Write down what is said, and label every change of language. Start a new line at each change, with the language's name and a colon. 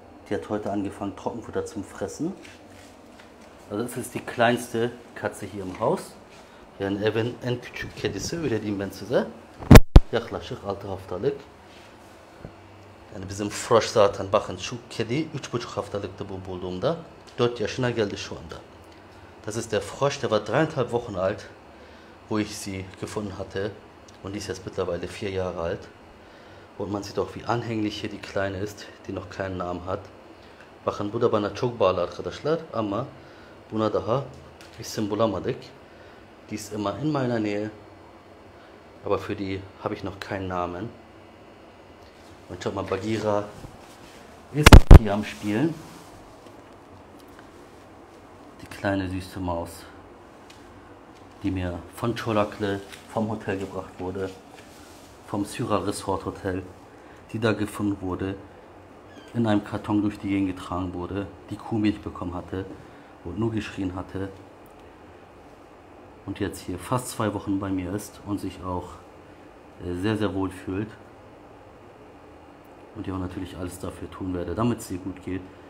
German: Die hat heute angefangen Trockenfutter zum Fressen. Also das ist die kleinste Katze hier im Haus.
Turkish: Yani evin en küçük kedisi öyle diyeyim ben size. Yaklaşık 6 haftalık. Yani bizim Frosch zaten bakın şu kedi 3,5 haftalıktı bu bulduğumda. 4 yaşına geldi şu anda.
German: Das ist der Frosch, der war 3,5 Wochen alt, wo ich sie gefunden hatte. Und die ist jetzt mittlerweile 4 Jahre alt. Und man sieht auch, wie anhänglich hier die Kleine ist, die noch keinen Namen hat.
Turkish: Bakın bu da bana çok bağlı arkadaşlar ama buna daha isim bulamadık.
German: Die ist immer in meiner Nähe, aber für die habe ich noch keinen Namen. Und schaut mal, Bagheera ist hier am Spielen. Die kleine süße Maus, die mir von Çolaklı, vom Hotel gebracht wurde, vom Syral Resort Hotel, die da gefunden wurde, in einem Karton durch die Gegend getragen wurde, die Kuhmilch bekommen hatte und nur geschrien hatte und jetzt hier fast 2 Wochen bei mir ist und sich auch sehr, sehr wohl fühlt und ich auch natürlich alles dafür tun werde, damit es ihr gut geht.